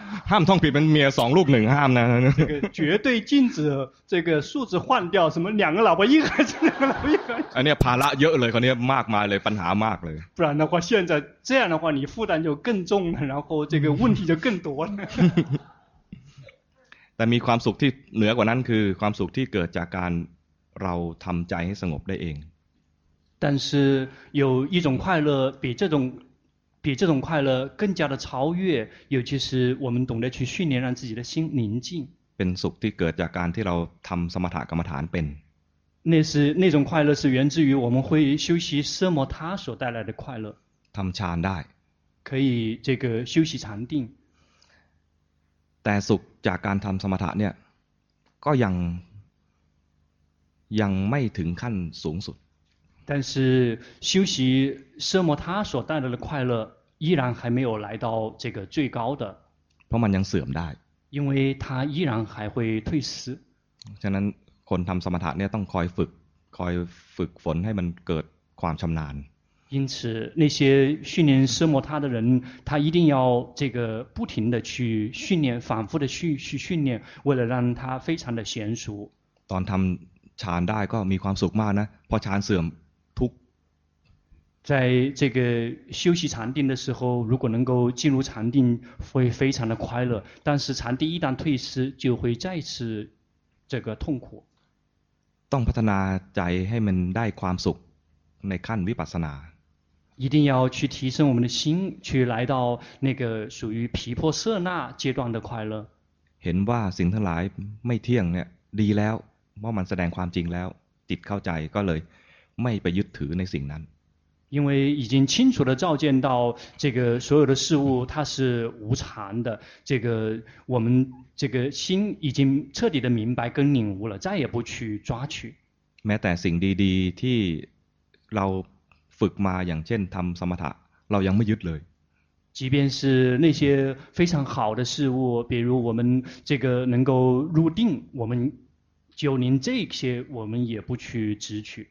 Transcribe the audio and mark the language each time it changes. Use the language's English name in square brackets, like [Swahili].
[Thai] ห้ามท่องผิดเป็นเมียสองลูกหนึ่งห้ามนะ [Chinese] 这个绝对禁止这个数字换掉什么两个老婆一个孩子两个老婆一个孩子 [Thai] อันนี้ภาระเยอะเลยคนนี้มากมายเลยปัญหามากเลย [Chinese] 不然的话现在这样的话你负担就更重了然后这个问题就更多了 [Thai] 但มีความสุขที่เหนือกว่านั้นคือความสุขที่เกิดจากการเราทำใจให้สงบได้เอง [Chinese] 但是有一种快乐比这种快乐更加的超越尤其是我们懂得去训练让自己的心宁静 [Thai] เป็นสุขที่เกิดจากการที่เราทำสมถกรรมฐานเป็น [Chinese] 那种快乐是源自于我们会修习奢摩他所带来的快乐 [Thai] ทำฌานได้ [Chinese] 可以这个修习禅定 [Thai] แต่สุขจากการทำสมถะเนี่ยก็ยังไม่ถึงขั้นสูงสุด [Chinese] 但是修习奢摩他所带来的快乐依然还没有来到这个最高的 [Thai] เพราะมันยังเสื่อมได้ [Chinese] 因为它依然还会退失 [Thai] ฉะนั้นคนทำสมถะเนี่ยต้องคอยฝึกฝนให้มันเกิดความชำนาญ [Chinese] 因此那些训练奢摩他的人他一定要这个不停的去训练反复的去训练为了让他非常的娴熟 [Thai] ตอนทำฌานได้ก็มีความสุขมากนะพอฌานเสื่อมทุก [Chinese] 在这个休息禅定的时候如果能够进入禅定会非常的快乐但是禅定一旦退失就会再次这个痛苦 [Thai] ต้องพัฒนาใจให้มันได้ความสุขในขั้นวิปัสสนา [Chinese] 一定要去提升我们的心去来到那个属于毗婆舍那阶段的快乐 [Thai] เห็นว่าสิ่งทั้งหลายไม่เที่ยงเนี่ยดีแล้วเพราะมันแสดงความจริงแล้วจิตเข้าใจก็เลยไม่ไปยึดถือในสิ่งนั้น [Chinese] 因为已经清楚地照见到这个所有的事物它是无常的这个我们这个心已经彻底的明白跟领悟了再也不去抓取 [Thai] แม้แต่สิ่งดีๆที่เราฝึกมาอย่างเช่นทำสมถะเรายังไม่ยึดเลย [Chinese] 即便是那些非常好的事物比如我们这个能够入定我们就连这些我们也不去执取